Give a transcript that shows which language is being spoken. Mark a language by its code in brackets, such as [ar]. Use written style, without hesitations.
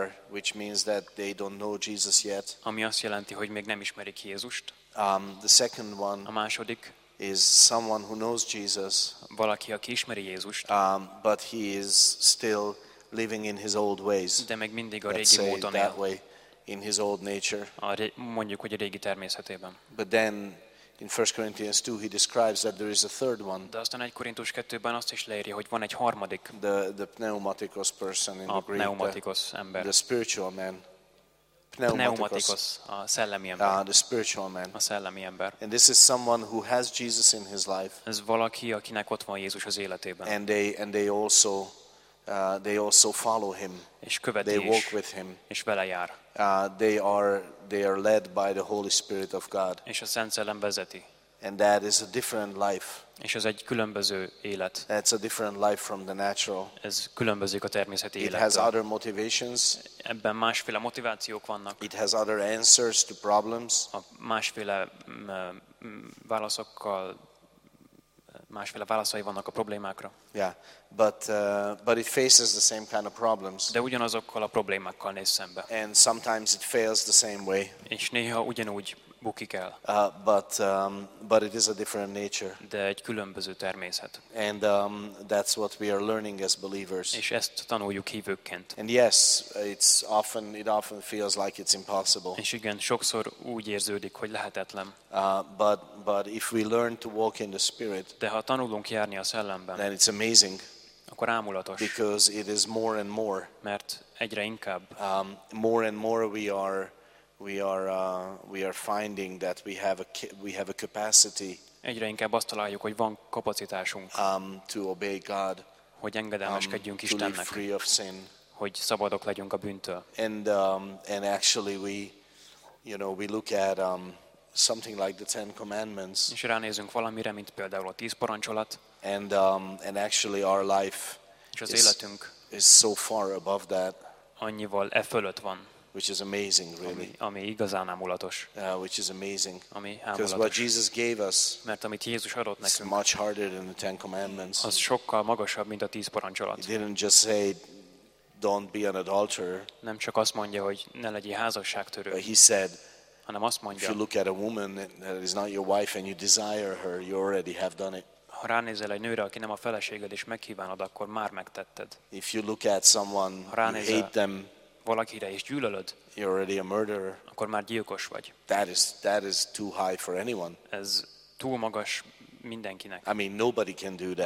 [en] which means that they don't know Jesus yet. [hu] Ami azt jelenti, hogy még nem ismerik Jézust. [en] The second one, [hu] a második, [en] is someone who knows Jesus, [hu] valaki, aki ismeri Jézust, [en] but he is still living in his old ways, [hu] de még mindig a régi módon él, [en] in his old nature, [hu] mondjuk, hogy a régi természetében. [en] But then in 1 Corinthians 2 he describes that there is a third one. [hu] De aztán 1 Korintus 2-ben azt is leírja, hogy van egy harmadik. [en] The pneumatikos person in [hu] a [en] the Greek. [el] Pneumatikos [en] the, [hu] ember. [en] The spiritual man. [hu] Pneumatikos, a szellemi ember. [en] The spiritual man. [hu] A szellemi ember. [en] And this is someone who has Jesus in his life. [hu] Ez valaki, akinek ott van Jézus az életében. [en] And they also follow him. [hu] És követi, [en] they walk [hu] is [en] with him. [hu] És vele jár. [en] They are led by the Holy Spirit of God. [hu] És a Szent Szellem vezeti. [en] And that is a different life. [hu] És ez egy különböző élet. [en] That's a different life from the natural. [hu] Ez különbözik a természeti élettől. [en] It has other motivations. [hu] Ebben másféle motivációk vannak. [en] It has other answers to problems. [hu] A másféle válaszokkal, másféle válaszai vannak a problémákra. [en] Yeah, but it faces the same kind of problems. [hu] De ugyanazokkal a problémákkal néz szembe. [en] And sometimes it fails the same way. [hu] És néha ugyanúgy bukik el. [en] But it is a different nature. [hu] De egy különböző természet. [en] And that's what we are learning as believers. [hu] És ezt tanuljuk hívőként. [en] And yes, it often feels like it's impossible. [hu] És igen, sokszor úgy érződik, hogy lehetetlen. [en] But if we learn to walk in the Spirit, [hu] de ha tanulunk járni a szellemben, [en] then it's amazing. [hu] Akkor ámulatos. [en] Because it is more and more. [hu] Mert egyre inkább. [en] More and more we are finding that we have a capacity. [hu] Egyre inkább azt találjuk, hogy van kapacitásunk. [en] To obey God. [hu] Hogy engedelmeskedjünk Istennek. [en] To live free of sin. [hu] Hogy szabadok legyünk a bűntől. [en] And actually we look at something like the Ten Commandments. [hu] És ránézünk valamire, mint például a tíz parancsolat. [en] And actually our life is so far above that. [hu] Annyival e fölött van. [en] Which is amazing, really. [hu] Ami igazán ámulatos. [en] Which is amazing. [hu] Ami ámulatos. [en] Because what Jesus gave us, [hu] mert amit Jézus adott nekünk, [en] is much harder than the Ten Commandments. [hu] Az sokkal magasabb, mint a tíz parancsolat. [en] He didn't just say, "Don't be an adulterer." [hu] Nem csak azt mondja, hogy ne legyél házasságtörő. [en] He said, [hu] hanem azt mondja, [en] if you look at a woman that is not your wife and you desire her, you already have done it. [hu] Ha ránézel egy nőre, aki nem a feleséged, és megkívánod, akkor már megtetted. [en] If you look at someone, [hu] ránézel, [en] you hate them, [hu] valakire is gyűlölöd, [en] you're already a murderer, [hu] akkor már gyilkos vagy. [en] That is too high for anyone. [hu] Ez túl magas mindenkinek. [en] I mean, nobody can do that.